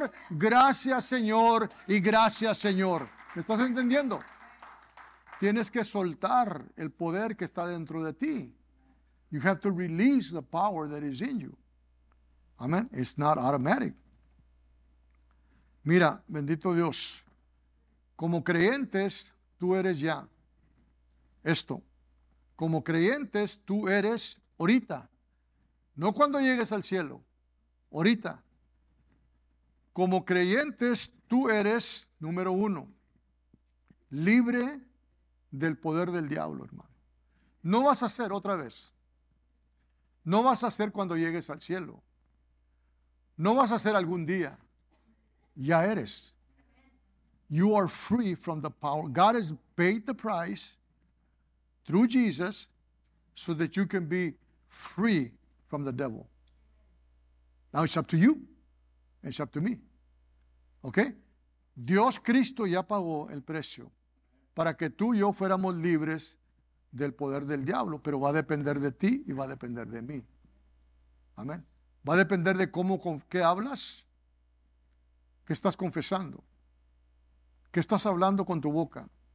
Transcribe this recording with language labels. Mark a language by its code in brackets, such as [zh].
[es] Gracias Señor y gracias Señor. ¿Me estás entendiendo? Tienes que soltar el poder que está dentro de ti. [en] You have to release the power that is in you. Amén. It's not automatic. Mira, bendito Dios. [es] Como creyentes, tú eres ya. Esto. Como creyentes, tú eres ahorita. No cuando llegues al cielo. Ahorita. Como creyentes, tú eres, número uno, libre del poder del diablo, hermano. No vas a ser otra vez. No vas a ser cuando llegues al cielo. No vas a ser algún día. Ya eres. You are free from the power. [en] God has paid the price through Jesus so that you can be free from the devil. Now it's up to you. It's up to me. Okay? [es] Dios Cristo ya pagó el precio para que tú y yo fuéramos libres del poder del diablo, pero va a depender de ti y va a depender de mí. Amén. Va a depender de cómo, con qué hablas, qué estás confesando, qué estás hablando con tu boca.